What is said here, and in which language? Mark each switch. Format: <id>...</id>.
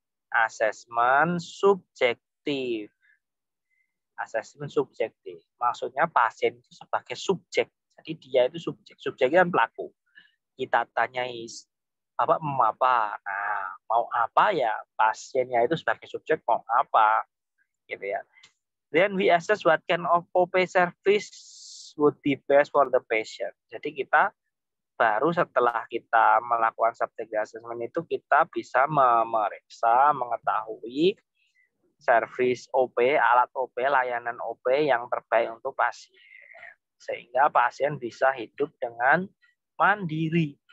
<id>Assessment subjektif. Assessment subjektif. Maksudnya pasien itu sebagai subjek. Jadi dia itu subjek. Subjek itu pelaku. Kita tanyai apa mau apa. Nah, mau apa ya? Pasiennya itu sebagai subjek mau apa? Gitu ya.</id> <en>Then we assess what kind of OPP service would be best for the patient.</en> <id>Jadi kita baru setelah kita melakukan subject assessment itu kita bisa memeriksa, mengetahui service OP, alat OP, layanan OP yang terbaik untuk pasien. Sehingga pasien bisa hidup dengan mandiri.</id>